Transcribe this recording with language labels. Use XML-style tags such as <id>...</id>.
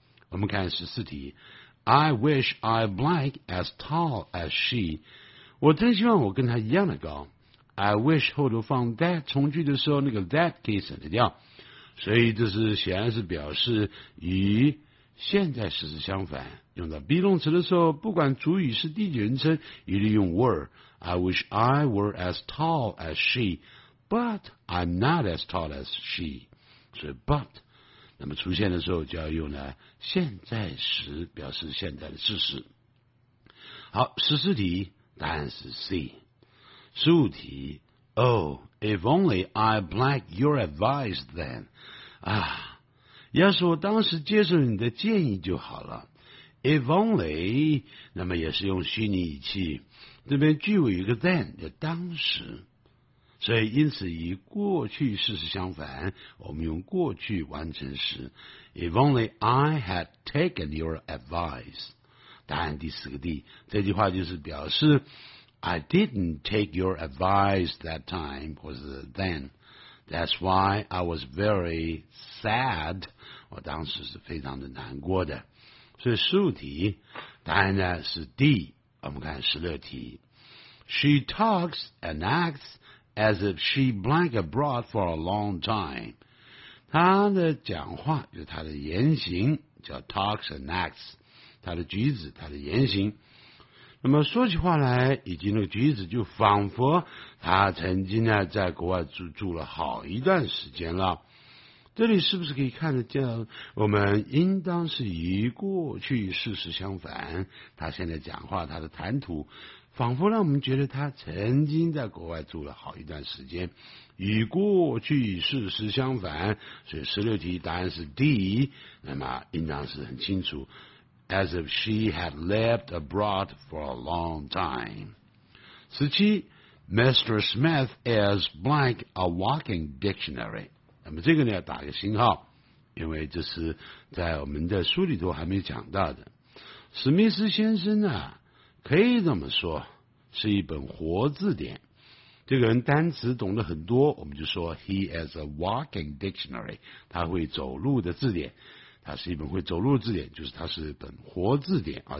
<zh>我们看十四题</zh> <en>I wish I blank as tall as she</en> <zh>我真希望我跟她一样的高， I wish 后头放 that 从句的时候那个 that 可以省得掉，所以这是显然是表示与现在事实相反，用到 be 动词的时候不管主语是第几人称一律用 were。</zh> <en>I wish I were as tall as she but I'm not as tall as she，</en> <zh>所以 but 那么出现的时候就要用了现在时表示现在的事实。好，十四题答案是 C。</zh> <en>十五题 Oh if only I blank your advice then 啊，</en> <zh>要是我当时接受你的建议就好了。 If only， 那么也是用虚拟语气，这边句尾有一个 then， 就当时，所以因此以过去事实相反，我们用过去完成时。</zh> <en>If only I had taken your advice，</en> <zh>答案第四个</zh> <en>D，</en> <zh>这句话就是表示</zh> <en>I didn't take your advice that time， 或是 then。 That's why I was very sad.</en> <zh>我当时是非常的难过的。所以十五题答案呢是 D。我们看十六题。</zh> <en>She talks and acts as if she blank abroad for a long time.</en> <zh>她的讲话就是她的言行叫 talks and acts， 她的举止她的言行。那么说起话来以及那个举止就仿佛他曾经呢在国外 住了好一段时间了，这里是不是可以看得见我们应当是与过去事实相反，他现在讲话他的谈吐仿佛让我们觉得他曾经在国外住了好一段时间，与过去事实相反，所以十六题答案是 D， 那么应当是很清楚</zh> <en>As if she had lived abroad for a long time.</en> <zh>十七</zh> <en>Mr. Smith is blank a walking dictionary.</en> <zh>那么这个呢要打个星号，因为这是在我们的书里头还没讲到的。史密斯先生呢可以这么说是一本活字典，这个人单词懂得很多，我们就说</zh> <en>He is a walking dictionary，</en> <zh>他会走路的字典，它是一本会走路的字典，就是它是一本活字典啊！</zh>